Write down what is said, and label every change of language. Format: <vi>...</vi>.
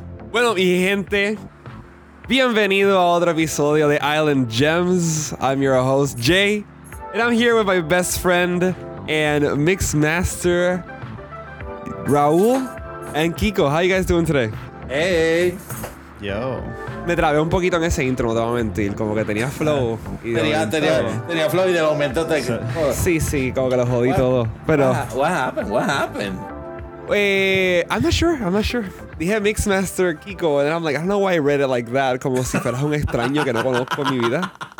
<es>Bueno, mi gente, bienvenido a otro episodio de Island Gems.</es> <en>I'm your host, Jay, and I'm here with my best friend and mix master, Raul and Kiko. How are you guys doing today? Hey! Yo.</en> <es>Me trabé un poquito en ese intro, no te voy a mentir. Como que tenía flow. Tenía flow y de momento te... Sí, sí, como que lo jodí todo. Pero...</es> <en>What happened? I'm not sure.</en> <es>Dije</es> <en>Mixmaster Kiko, and I'm like, I don't know why I read it like that.</en> <es>Como si fuera un extraño que no conozco en mi vida.</es>